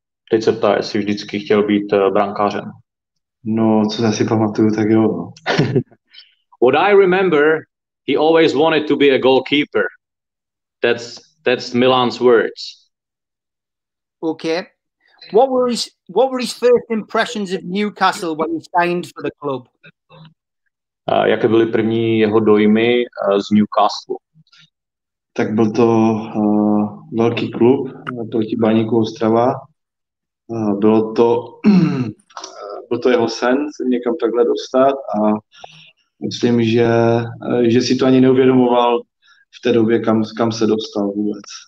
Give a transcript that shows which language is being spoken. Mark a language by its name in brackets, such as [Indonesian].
[Czech] Teď se ptá, jestli vždycky chtěl být brankářem. No, co já si pamatuju, tak jo. [English] What I remember, he always wanted to be a goalkeeper. That's Milan's words. Okay. What were his first impressions of Newcastle when he signed for the club? [Czech] Jaké byly první jeho dojmy z Newcastle? Tak byl to velký klub, proti Baníku Ostrava. Byl to jeho sen se někam takhle dostat a myslím, že si to ani neuvědomoval v té době, kam se dostal vůbec.